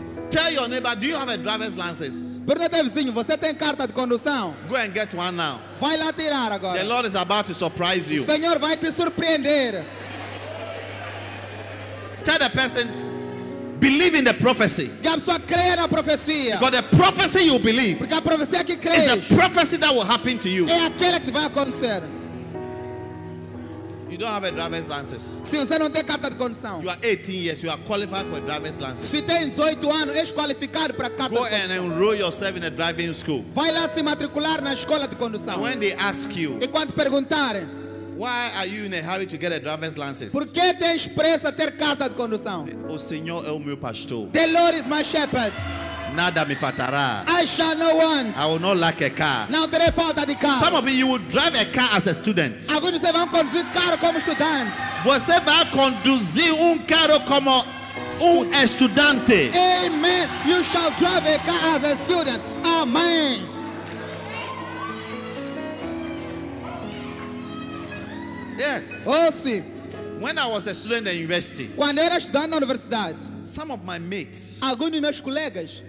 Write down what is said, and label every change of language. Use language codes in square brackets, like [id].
[en] Tell your neighbor, do you have a driver's license? [pt] Pergunta ao vizinho, você tem carta de condução? [en] Go and get one now. [pt] Vai lá tirar agora. [en] The Lord is about to surprise you. [pt] O Senhor vai te surpreender. [en] Tell the person, believe in the prophecy. [pt] Diga a pessoa, creia na profecia. [en] Because the prophecy you believe. [pt] Porque a profecia que crês. [en] Is a prophecy that will happen to you. [pt] É aquela que vai acontecer. [en] You don't have a driver's license. [pt] Se você não tem carta de condução. [en] You are 18 years. You are qualified for a driver's license. [pt] Se tem 18 anos, és qualificado para carta de condução. [en] Go and enroll yourself in a driving school. [pt] Vai lá se matricular na escola de condução. [en] And when they ask you, [pt] e quando perguntarem, [en] why are you in a hurry to get a driver's license? [pt] Por que tens pressa ter carta de condução? O Senhor é o meu pastor. [en] The Lord is my shepherd. [pt] Nada me faltará. [en] I shall not want. I will not lack a car. [pt] Não terei falta de carro. [en] Some of you will drive a car as a student. [pt] Alguns de vocês vão conduzir carro como estudante. Você vai conduzir carro como estudante. [en] Amen. You shall drive a car as a student. Amen. Yes. [pt] Oh, sim. [en] When I was a student at university, [pt] quando era estudante na universidade, [en] some of my mates, [pt] alguns dos meus colegas,